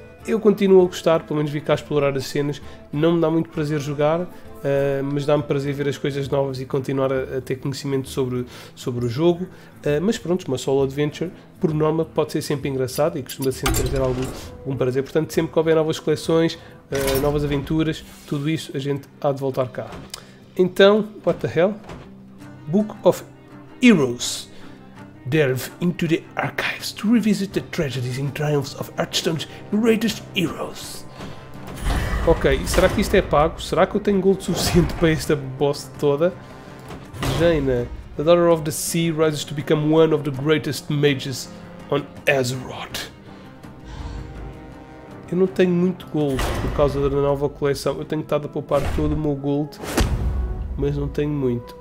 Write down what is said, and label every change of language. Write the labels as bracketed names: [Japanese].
[Portuguese] Eu continuo a gostar, pelo menos vim cá explorar as cenas. Não me dá muito prazer jogar, mas dá-me prazer ver as coisas novas e continuar a ter conhecimento sobre o jogo. Mas pronto, uma [English] solo adventure, [Portuguese] por norma, pode ser sempre engraçada e costuma sempre trazer algum prazer. Portanto, sempre que houver novas coleções, novas aventuras, tudo isso a gente há de voltar cá. Então, [English] what the hell? Book of Heroes. Delve into the archives to revisit the tragedies and triumphs of Hearthstone's greatest heroes. [Portuguese] Ok, será que isto é pago? Será que eu tenho gold suficiente para esta boss toda? [English] Jaina, the Daughter of the Sea rises to become one of the greatest mages on Azeroth. [Portuguese] Eu não tenho muito gold por causa da nova coleção. Eu tenho estado a poupar todo o meu gold, mas não tenho muito.